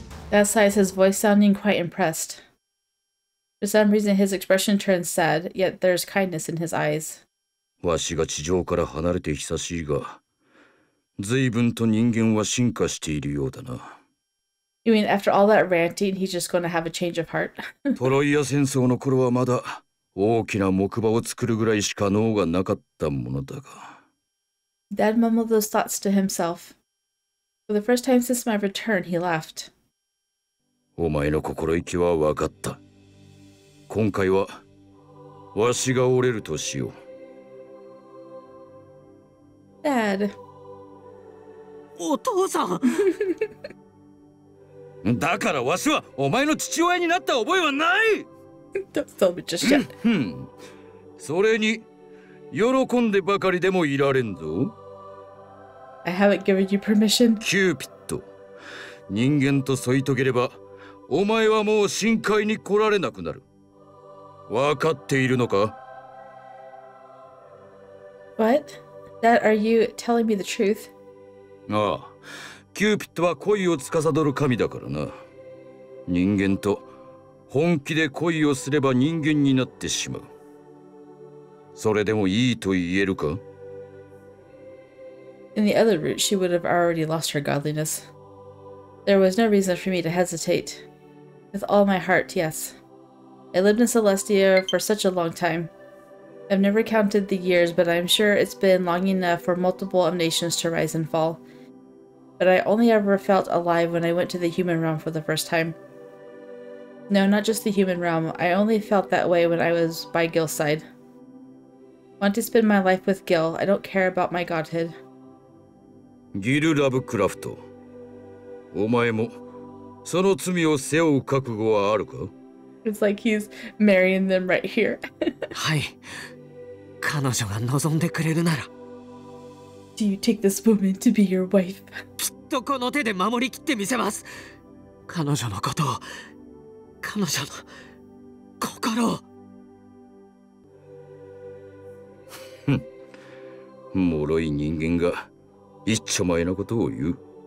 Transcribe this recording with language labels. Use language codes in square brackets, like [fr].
[en] Dad sighs, his voice sounding quite impressed. For some reason, his expression turns sad, yet there's kindness in his eyes. [ja] わしが地上から離れて久しいが、随分と人間は進化しているようだな。 [en] You mean after all that ranting, he's just going to have a change of heart? [ja] トロイア戦争の頃はまだ大きな木馬を作るぐらいしか脳がなかったものだが。 [en] Dad mumbled those thoughts to himself. For the first time since my return, he laughed. [ja] お前の心意気は分かった。今回はわしが折れるとしよう。 [en] Dad。 [ja] お父さん。だからわしはお前の父親になった覚えはない。 [en] Don't tell me just yet。 [ja] それに喜んでばかりでもいられんぞ。 [en] I haven't given you permission。 Cupid。 [ja] 人間と添い遂げればお前はもう深海に来られなくなる。わかっているのか? [en] What? Dad, are you telling me the truth? [ja] ああ、キューピッドは恋を司る神だからな。人間と本気で恋をすれば人間になってしまう。それでもいいと言えるか? [en] In the other route, she would have already lost her godliness. There was no reason for me to hesitate. With all my heart, yes. I lived in Celestia for such a long time. I've never counted the years, but I'm sure it's been long enough for multiple of nations to rise and fall. But I only ever felt alive when I went to the human realm for the first time. No, not just the human realm. I only felt that way when I was by Gil's side. I want to spend my life with Gil. I don't care about my godhood. Gill Lovecraft. [ja] お前もその罪を背負う覚悟はあるか? [en] It's like he's marrying them right here. [ja] はい。彼女が望んでくれるなら。 [en] Do you take this woman to be your wife? [ja] きっとこの手で守りきってみせます。彼女のことを、彼女の心を。脆い人間が一丁前のことを言う。